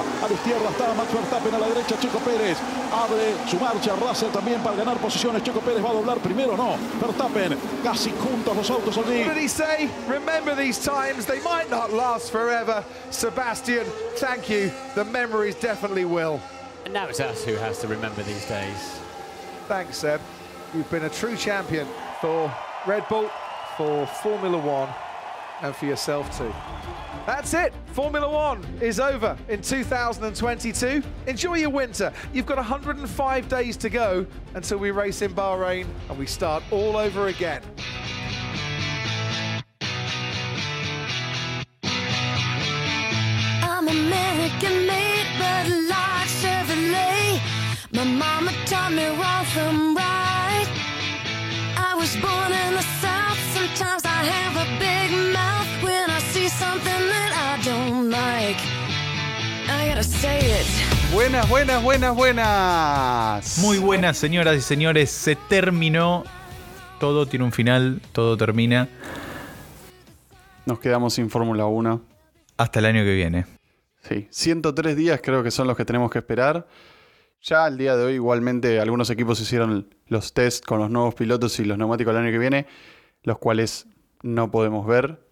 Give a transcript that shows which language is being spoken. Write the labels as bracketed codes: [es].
[es] A la izquierda está Max Verstappen, a la derecha Checo Pérez. Abre su marcha Russell también para ganar posiciones. Checo Pérez va a doblar primero, no. Verstappen, casi juntos los autos allí. [en] What did he say? Remember these times, they might not last forever. Sebastian, thank you. The memories definitely will. And now it's us who has to remember these days. Thanks, Seb. You've been a true champion for Red Bull, for Formula One, and for yourself too. That's it. Formula One is over in 2022. Enjoy your winter. You've got 105 days to go until we race in Bahrain and we start all over again. I'm American made, but life's Chevrolet. My mama taught me wrong from right. I was born in the South. Sometimes I have a big mouth when I see something that I don't like. I gotta say it. [es] Buenas, buenas, buenas, buenas. Muy buenas, señoras y señores. Se terminó. Todo tiene un final. Todo termina. Nos quedamos sin Fórmula 1. Hasta el año que viene. Sí, 103 días creo que son los que tenemos que esperar. Ya al día de hoy, igualmente, algunos equipos hicieron los test con los nuevos pilotos y los neumáticos el año que viene, los cuales no podemos ver.